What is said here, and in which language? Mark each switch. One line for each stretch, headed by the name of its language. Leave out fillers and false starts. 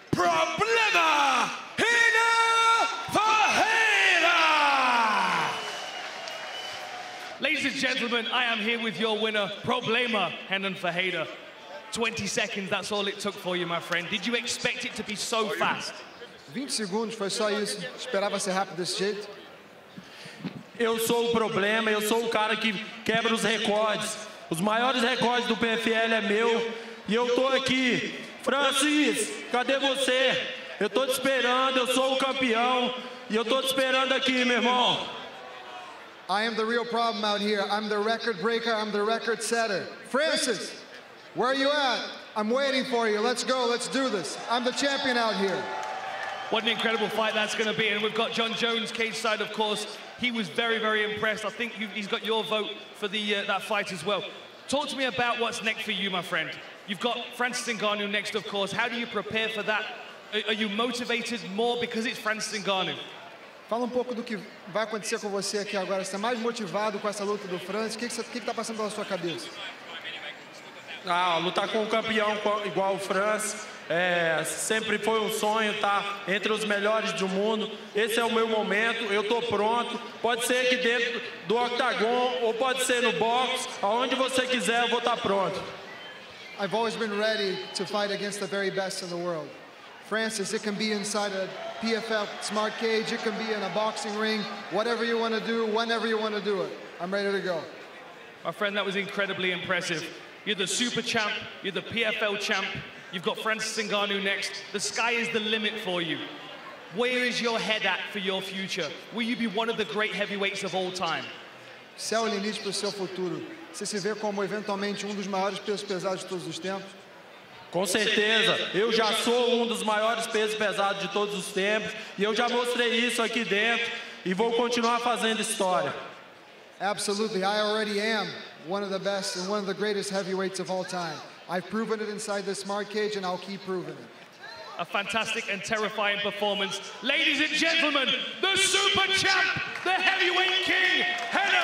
Portuguese: Problema Hina Ferreira!
English: Ladies and gentlemen, I am here with your winner, Problema Renan Ferreira. 20 seconds, that's all it took for you, my friend. Did you expect it to be so fast? 20 seconds,
Portuguese: foi só isso. Esperava ser rápido desse jeito. Eu sou o problema, eu sou o cara que quebra os recordes. Os maiores recordes do PFL é meu e eu tô aqui. Francis, cadê você? Eu tô te esperando, eu sou o campeão e eu tô te esperando aqui, meu irmão.
English: I am the real problem out here. I'm the record breaker, I'm the record setter. Francis, where are you at? I'm waiting for you. Let's go, let's do this. I'm the champion out here. What an incredible fight that's gonna be. And we've got John Jones cage side, of course. He was very, very impressed. I think he's got your vote for the that fight as well. Talk to me about what's next for you, my friend. You've got Francis Ngannou next, of course. How do you prepare for that? Are you motivated more because it's Francis Ngannou?
Portuguese: Fala um pouco do que vai acontecer com você aqui agora. Você está mais motivado com essa luta do Francis? O que está passando pela sua cabeça? Ah, lutar com um campeão igual o Francis. É, sempre foi um sonho estar entre os melhores do mundo. Esse é o meu momento, eu estou pronto. Pode ser aqui dentro do octagon ou pode ser no box, aonde você quiser, eu vou estar pronto.
English: I've always been ready to fight against the very best in the world. Francis, it can be inside a PFL smart cage, it can be in a boxing ring, whatever you want to do, whenever you want to do it. I'm ready to go. My friend, that was incredibly impressive. You're the super champ, you're the PFL champ. You've got Francis Ngannou next. The sky is the limit for you. Where is your head at for your future? Will you be one of the great heavyweights of all time?
Portuguese: Céu é o limite para o seu futuro. Você se vê como eventualmente um dos maiores pesos pesados de todos os tempos? Com certeza, eu já sou um dos maiores pesos pesados de todos os tempos e eu já mostrei isso aqui dentro e vou continuar fazendo história.
English: Absolutely, I already am one of the best and one of the greatest heavyweights of all time. I've proven it inside this smart cage and I'll keep proving it. A fantastic and terrifying performance. Ladies and gentlemen, the super champ, the heavyweight king,